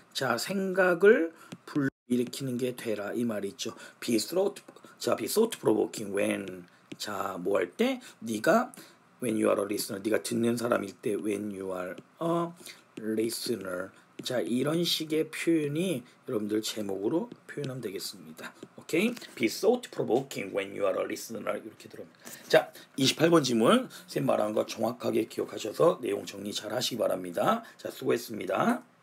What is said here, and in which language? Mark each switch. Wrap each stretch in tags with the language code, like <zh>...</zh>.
<ko>자, 생각을 불러일으키는 게 되라 이 말이 있죠.</ko> <en>Be thought provoking. When</en> <ko>자, 뭐 할 때 네가</ko> <en>when you are a listener,</en> <ko>네가 듣는 사람일 때</ko> <en>when you are a listener.</en> <ko>자, 이런 식의 표현이 여러분들 제목으로 표현하면 되겠습니다. 오케이?</ko> <en>Be thought provoking when you are a listener. 이렇게 들어옵니다.</en> <ko>자, 28번 지문. 선생님 말한 거 정확하게 기억하셔서 내용 정리 잘 하시기 바랍니다. 자, 수고했습니다.</ko>